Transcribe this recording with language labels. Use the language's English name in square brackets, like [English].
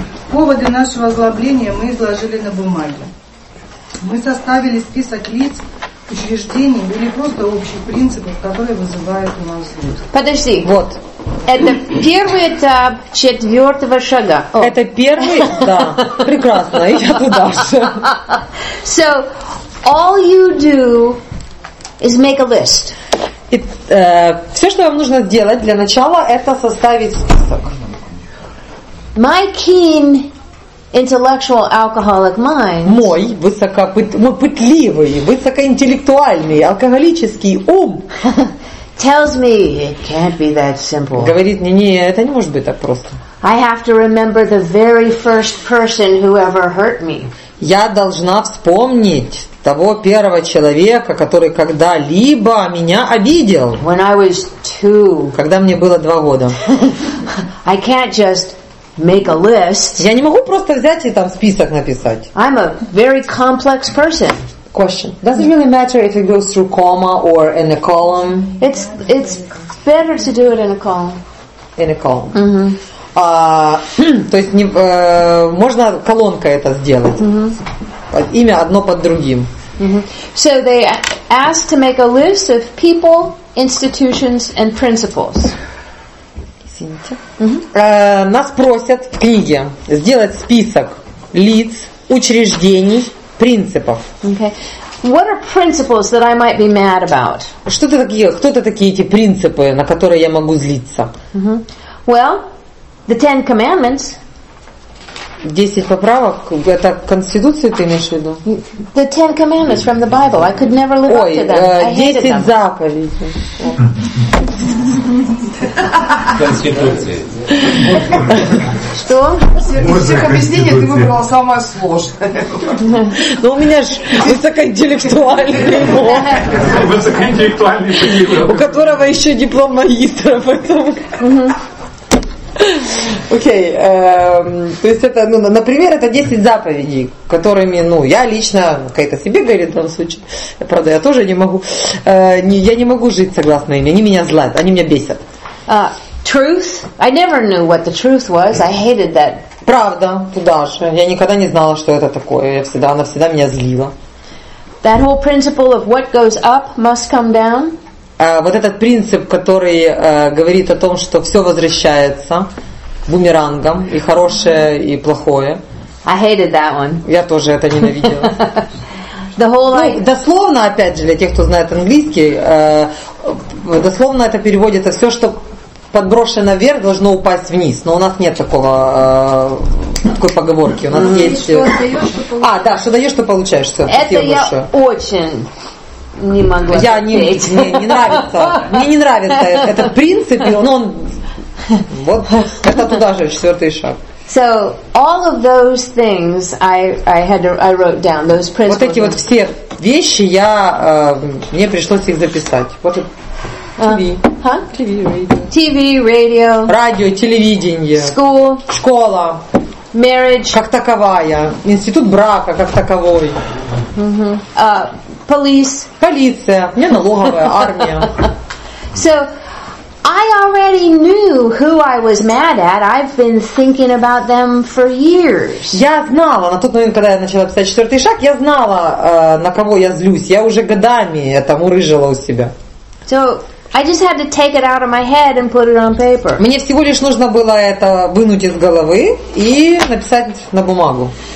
[Russian] Поводы нашего озлобления мы изложили на бумаге. Мы составили список лиц, учреждений или просто общих принципов, которые вызывают у нас злость. Подожди, вот. Это первый этап четвертого шага. О. Это первый? Да. Прекрасно, я туда же. [English] So, all you do is make a list. [Russian] И все, что вам нужно сделать для начала, это составить список. [English] My keen intellectual alcoholic mind. [Russian] Мой пытливый, высокоинтеллектуальный алкоголический ум. [English] Tells me it can't be that simple. [Russian] Говорит мне, это не может быть так просто. [English] I have to remember the very first person who ever hurt me. [Russian] Я должна вспомнить того первого человека, который когда-либо меня обидел. [English] When I was two. [Russian] Когда мне было 2 года. [English] I can't just make a list. [Russian] Я не могу просто взять и там список написать. [English] I'm a very complex person. Question. Does it really matter if it goes through comma or in a column? It's better to do it in a column. In a column. Mm-hmm. [Russian] То есть можно колонкой это сделать. Mm-hmm. Имя одно под другим. Mm-hmm. [English] So they asked to make a list of people, institutions and principles. [Russian] Извините. Нас просят в книге сделать список лиц, учреждений, принципов. [English] Okay. What are principles that I might be mad about? [Russian] Что-то такие, кто-то такие эти принципы, на которые я могу злиться. [English] Mm-hmm. Well, the Ten Commandments. [Russian] 10 поправок. Это Конституцию ты имеешь в виду? [English] The Ten Commandments from the Bible. I could never live up to them. [Russian] Ой, 10 заповедей. Конституции. Что? Всех объяснений ты выбрала самое сложное. Ну, у меня же высокоинтеллектуальный диплом. Высокоинтеллектуальный диплом. У которого еще диплом магистра, поэтому... Окей, то есть это, ну, например, это 10 заповедей, которыми, ну, я лично, какая-то себе говорит в данном случае, правда, я тоже не могу, я не могу жить согласно им, они меня злят, они меня бесят. [English] Truth, I never knew what the truth was, I hated that. [Russian] Правда, туда же, я никогда не знала, что это такое, она всегда меня злила. [English] That whole principle of what goes up must come down. [Russian] Вот этот принцип, который говорит о том, что все возвращается бумерангом, и хорошее, и плохое. [English] I hated that one. [Russian] Я тоже это ненавидела. [English] The whole life... [Russian] Ну, дословно, опять же, для тех, кто знает английский, дословно это переводится, все, что подброшено вверх, должно упасть вниз. Но у нас нет такого, такой поговорки. У нас mm-hmm. есть... Что даешь, что получаешь. А, да, что даешь, что получаешь. Все, это я большое. Очень... Не могла. Я не нравится. Мне не нравится этот принцип, но он вот это туда же, четвертый шаг. [English] So all of those things I wrote down, those principles. [Russian] Вот эти вот все вещи мне пришлось их записать. Вот [English] TV, radio. [Russian] Радио, телевидение. [English] School. [Russian] Школа. [English] Marriage. [Russian] Как таковая. Институт брака как таковой. [English] Police. [Russian] Полиция. Не налоговая, армия. [English] So I already knew who I was mad at. I've been thinking about them for years. [Russian] Я знала, на тот момент, когда я начала писать четвертый шаг, я знала, на кого я злюсь. Я уже годами этому рыжила у себя. [English] So I just had to take it out of my head and put it on paper. [Russian] Мне всего лишь нужно было это вынуть из головы и написать на бумагу.